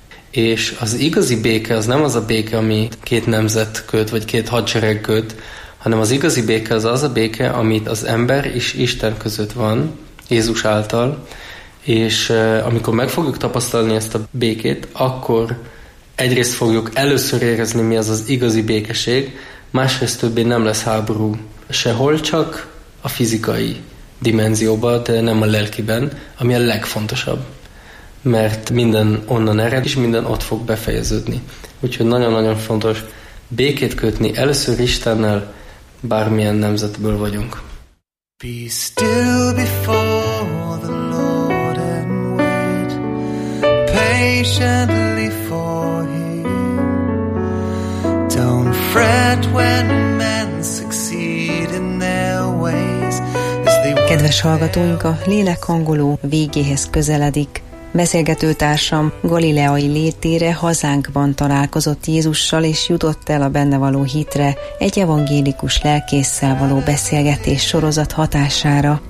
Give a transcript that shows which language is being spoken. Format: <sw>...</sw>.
<hu>és az igazi béke az nem az a béke, ami két nemzet köt, vagy két hadsereg köt, hanem az igazi béke az az a béke, amit az ember és Isten között van, Jézus által, és amikor meg fogjuk tapasztalni ezt a békét, akkor egyrészt fogjuk először érezni, mi az az igazi békeség, másrészt többé nem lesz háború sehol, csak a fizikai dimenzióban, de nem a lelkiben, ami a legfontosabb. Mert minden onnan ered, és minden ott fog befejeződni. Úgyhogy nagyon-nagyon fontos békét kötni először Istennel, bármilyen nemzetből vagyunk.</hu> <en>Be still before the Lord and wait. patiently for him. Don't fret when men succeed in their ways.</en> <hu>Kedves hallgatóink, a lélekhangoló végéhez közeledik. Beszélgető társam galileai létére hazánkban találkozott Jézussal, és jutott el a benne való hitre egy evangélikus lelkésszel való beszélgetés sorozat hatására.</hu>